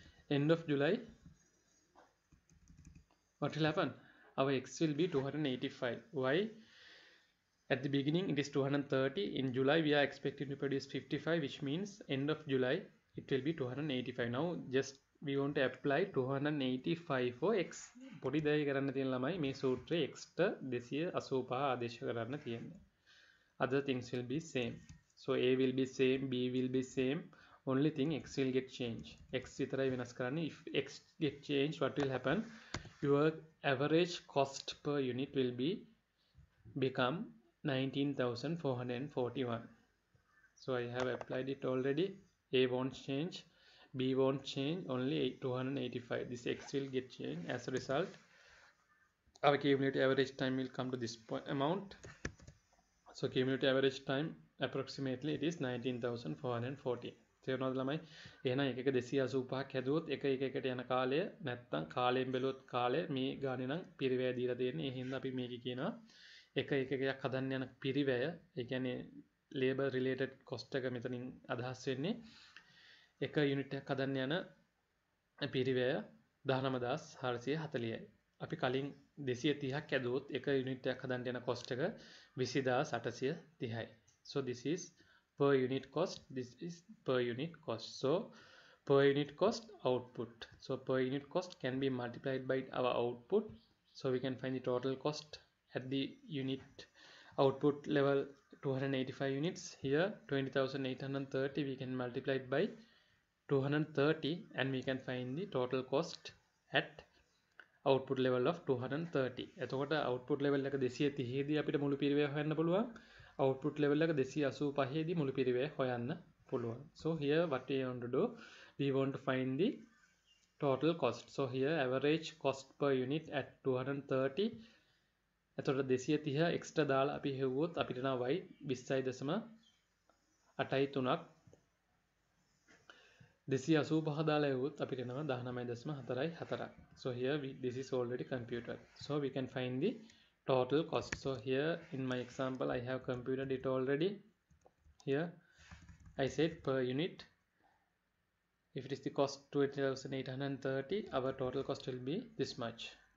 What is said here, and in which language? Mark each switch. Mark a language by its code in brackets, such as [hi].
[en] End of July, what will happen? Our x will be 285. Why? At the beginning it is 230. In July we are expecting to produce 55, which means end of July it will be 285. Now just we want to apply 285 for x. [si] පොඩි දෙයක් කරන්න තියෙන ළමයි මේ සූත්‍රයේ x ට 285 ආදේශ කරන්න තියෙන්නේ. [en] Other things will be same. So a will be same, b will be same. Only thing x will get change. [si] X විතරයි වෙනස් කරන්නේ. [en] If x get change, what will happen? Your average cost per unit will become 19,441. So I have applied it already. A won't change, B won't change, only 285. This x will get change. As a result, our cumulative average time will come to this point amount. So cumulative average time approximately it is 19,440. [si] තේරුණාද ළමයි? එහෙනම් 1285ක් හැදුවොත් 1 1 1ට යන කාලය නැත්තම් කාලයෙන් බැලුවොත් කාලය මේ ගානේ නම් පිරිවැය දීලා තියෙන්නේ. ඒ හින්දා අපි මේක කියනවා 1 1 1ක් හදන්න යන පිරිවැය. ඒ කියන්නේ labor related cost එක මෙතනින් අදහස් වෙන්නේ 1 unit එකක් හදන්න යන පිරිවැය 19,440යි. අපි කලින් 230ක් හැදුවොත් 1 unit එකක් හදන්න යන cost එක 20,830යි. [en] So this is per unit cost, this is per unit cost. So per unit cost output. So per unit cost can be multiplied by our output. So we can find the total cost at the unit output level 285 units. Here 20,830 we can multiply it by 230 and we can find the total cost at output level of 230. [si] එතකොට output level එක 230 දී අපිට මුළු පිරිවැය හොයන්න පුළුවන්. Output level එක 285 දී මුළු පිරිවැය හොයන්න පුළුවන්. [en] So here what we want to do, we want to find the total cost. So here average cost per unit at 230. [si] එතකොට 230 extra දාලා අපි හෙව්වොත් අපිට නම් y 20.83ක් 285 දාලා ඇහුවොත් අපිට එනවා 19.44. [en] So here this is already computed. So we can find the total cost. So here in my example, I have computed it already. Here I said per unit. If it is the cost 20,830, our total cost will be this much.